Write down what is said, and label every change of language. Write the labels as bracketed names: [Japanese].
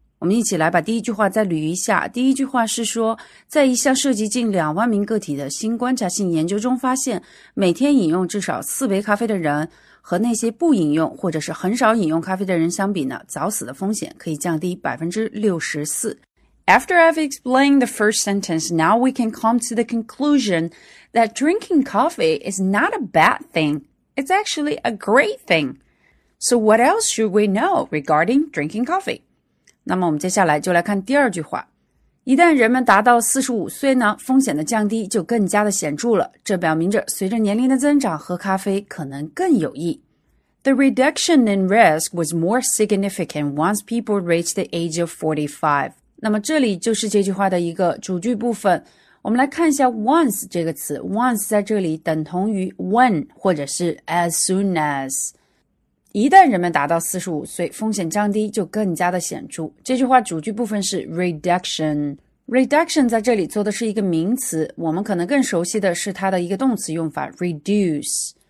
[Chinese] 我们一起来把第一句话再捋一下。第一句话是说，在一项涉及近2万名个体的新观察性研究中发现，每天饮用至少四杯咖啡的人，和那些不饮用或者是很少饮用咖啡的人相比呢，早死的风险可以降低 64%。 [English] After I've explained the first sentence, now we can come to the conclusion that drinking coffee is not a bad thing. It's actually a great thing. So what else should we know regarding drinking coffee? [Chinese] 那么我们接下来就来看第二句话。一旦人们达到45岁呢，风险的降低就更加的显著了。这表明着随着年龄的增长，喝咖啡可能更有益。 [English] The reduction in risk was more significant once people reached the age of 45. [Chinese] 那么这里就是这句话的一个主句部分。我们来看一下 once 这个词。once 在这里等同于 when 或者是 as soon as。一旦人们达到45岁风险降低就更加的显著。这句话主句部分是 reduction。reduction 在这里做的是一个名词我们可能更熟悉的是它的一个动词用法 reduce。